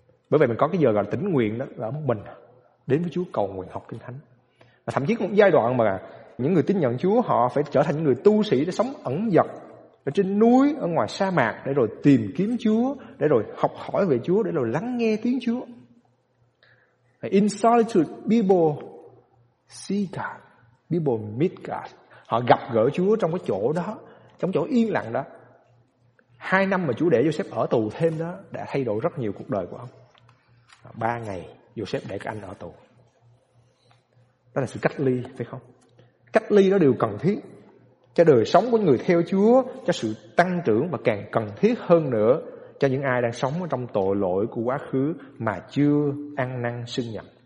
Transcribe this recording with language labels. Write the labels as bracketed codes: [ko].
[vi] Bởi vậy mình có cái giờ gọi là tĩnh nguyện đó, là ở một mình đến với Chúa cầu nguyện, học Kinh Thánh. Và thậm chí có một giai đoạn mà những người tin nhận Chúa họ phải trở thành những người tu sĩ để sống ẩn dật ở trên núi, ở ngoài sa mạc, để rồi tìm kiếm Chúa, để rồi học hỏi về Chúa, để rồi lắng nghe tiếng Chúa. [en] In solitude people see God, people meet God. [vi] Họ gặp gỡ Chúa trong cái chỗ đó, trong chỗ yên lặng đó. 2 năm mà Chúa để Joseph ở tù thêm đó đã thay đổi rất nhiều cuộc đời của ông. 3 ngày Joseph để các anh ở tù. Đó là sự cách ly, phải không? Cách ly đó đều cần thiết cho đời sống của người theo Chúa, cho sự tăng trưởng, và càng cần thiết hơn nữa cho những ai đang sống trong tội lỗi của quá khứ mà chưa ăn năn xưng nhận.